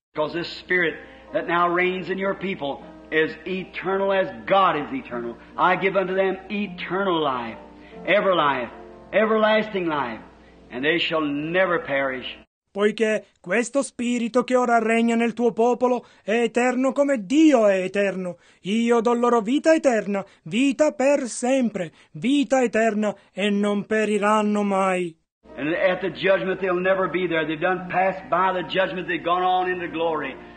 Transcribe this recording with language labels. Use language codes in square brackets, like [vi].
[en] Because this spirit that now reigns in your people is eternal as God is eternal. I give unto them eternal life, ever life, everlasting life, and they shall never perish. [it] Poiché questo Spirito che ora regna nel tuo popolo è eterno come Dio è eterno. Io do loro vita eterna, vita per sempre, vita eterna, e non periranno mai. [en] And at the judgment they'll never be there. They've done passed by the judgment, they've gone on into glory.